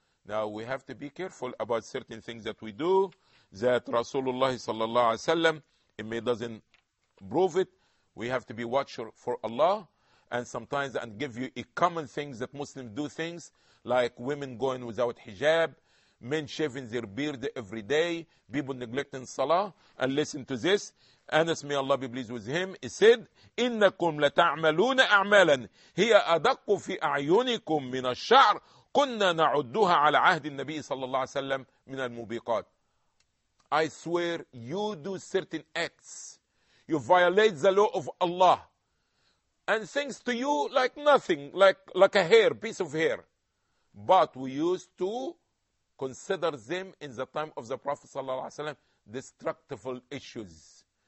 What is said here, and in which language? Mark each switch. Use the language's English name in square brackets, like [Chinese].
[English] Now we have to be careful about certain things that we do, that Rasulullah sallallahu alayhi wa sallam, it may doesn't prove it. We have to be watchful for Allah. And sometimes, and give you a common things that Muslims do things, like women going without hijab, men shaving their beard every day, people neglecting salah. And listen to this. Anas, may Allah be pleased with him, he said, [Arabic] إِنَّكُمْ لَتَعْمَلُونَ أَعْمَالًا هِيَ أَدَقُّ فِي أَعْيُنِكُمْ مِنَ الشَّعْرِ كُنَّا نَعُدُّهَا عَلَى عَهْدِ النَّبِيِّ صَلَّى اللَّهُ عَلَيْهِ وَسَلَّمْ مِنَ الْمُبِيقَاتِ. [English] I swear, you do certain acts. You violate the law of Allah. And things to you like nothing, like a hair, piece of hair. But we used to consider them in the time of the Prophet ﷺ, destructive issues.